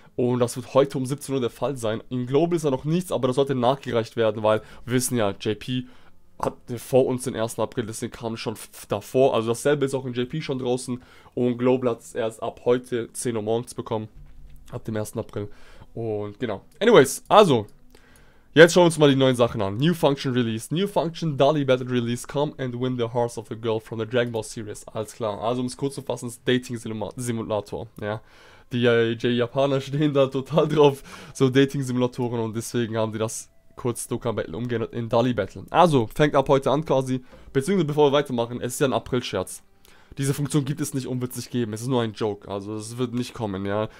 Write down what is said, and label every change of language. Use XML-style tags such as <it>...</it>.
<de>Und das wird heute um 17 Uhr der Fall sein. In Global ist da noch nichts, aber das sollte nachgereicht werden, weil wir wissen ja, JP hatte vor uns den 1. April, deswegen kam schon davor. Also dasselbe ist auch in JP schon draußen und Global hat es erst ab heute 10 Uhr morgens bekommen, ab dem 1. April. Und genau. Anyways, also jetzt schauen wir uns mal die neuen Sachen an.</de> <en>New Function Release. New Function Dolly Battle Release. Come and win the hearts of the girl from the Dragon Ball Series.</en> <de>Alles klar. Also um es kurz zu fassen, ist Dating Simulator. Ja. Die Japaner stehen da total drauf. So Dating Simulatoren und deswegen haben sie das kurz Dokkan Battle umgeändert in Dolly Battle. Also fängt ab heute an quasi. Beziehungsweise bevor wir weitermachen, es ist ja ein April-Scherz. Diese Funktion gibt es nicht und wird es nicht geben. Es ist nur ein Joke. Also es wird nicht kommen, ja.</de>